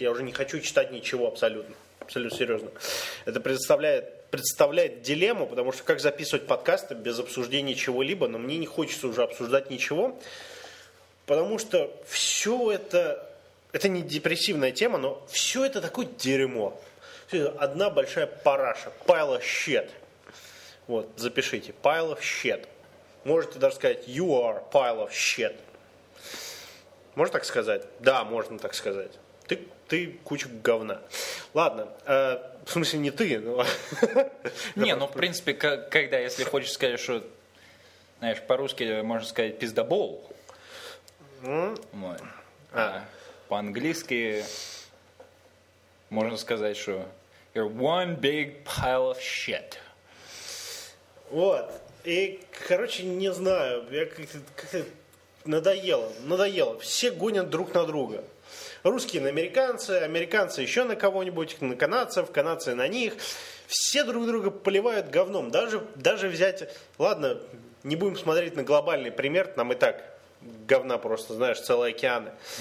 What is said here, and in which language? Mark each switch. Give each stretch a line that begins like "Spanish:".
Russian: Я уже не хочу читать ничего абсолютно. Абсолютно серьезно. Это представляет дилемму, потому что как записывать подкасты без обсуждения чего-либо, но мне не хочется уже обсуждать ничего. Потому что все это не депрессивная тема, но все это такое дерьмо. Все это одна большая параша.
English: Pile of shit.
Russian: Вот, запишите.
English: Pile of shit.
Russian: Можете даже сказать
English: «You are a pile of shit».
Russian: Можно так сказать? Да, можно так сказать. Ты куча говна. Ладно, в смысле не ты. Но... Не, ну в принципе, когда если хочешь сказать, что, знаешь, по-русски можно сказать «пиздобол». А по-английски можно сказать, что
English: «You're one big pile of shit».
Russian: Вот. И, короче, не знаю, я как-то надоело. Все гонят друг на друга. Русские на американцы, американцы еще на кого-нибудь, на канадцев, канадцы на них. Все друг друга поливают говном. Даже взять, ладно, не будем смотреть на глобальный пример, нам и так говна просто, знаешь, целые океаны.